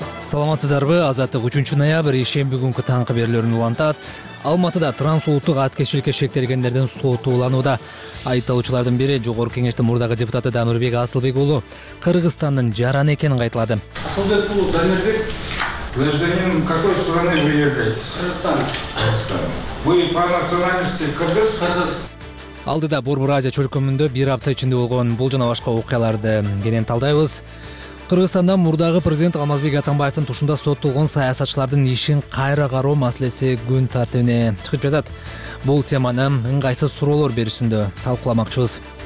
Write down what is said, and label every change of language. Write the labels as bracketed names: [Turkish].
[Kyrgyz] Саламатсыздарбы, Азаттык 3-ноябрь ишемби күнкү таңкы берүүлөрүн улантат. Алматыда трансулуттук аткечиликке шектелгендердин соту уланууда. Айтылуучулардын бири Жогорку Кеңештин мурдагы депутаты Дамырбек Асылбек уулу Кыргызстандын жараны экенин айтылады. [Russian] Асылбек уулу, Дамырбек, вы гражданин какой страны вы являетесь? [Kyrgyz] Кыргызстан. [Russian] Вы по национальности кыргыз? [Kyrgyz] Кыргыз. Алдыда Борбор Азия чөлкөмүндө бир апта ичинде болгон бул жана башка окуяларды кенен талдайбыз. Кыргызстанда мурдагы президент Алмазбек Атамбаевдин тушунда соттолгон саясатчылардын ишин кайра кароо маселеси күн тартибине чыгып жатат. Бул теманы ыңгайсыз суроолор берүүсүндө талкууламакчыбыз.